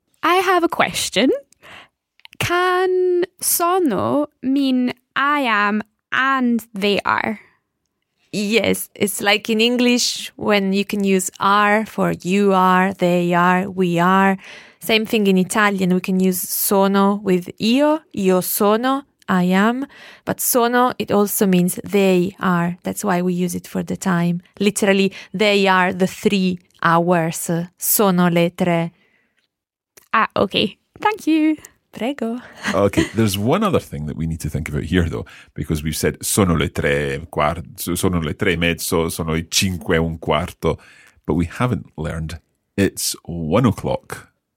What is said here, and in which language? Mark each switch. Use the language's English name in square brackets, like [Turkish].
[English] I have a question. Can sono mean I am and they are? Yes, it's like in English when you can use are for you are, they are, we are. Same thing in Italian. We can use sono with [Italian] io, io sono, [English] I am. But sono, it also means they are. That's why we use it for the time. Literally, they are the 3 hours. [Italian] Sono le 3. [English] Ah, okay. Thank you. [Italian] Prego. [English] Okay, there's one other thing that we need to think about here, though, because we've said [Italian] sono le 3:15, sono le 3:30, sono le 5:15, [English] but we haven't learned it's 1 o'clock.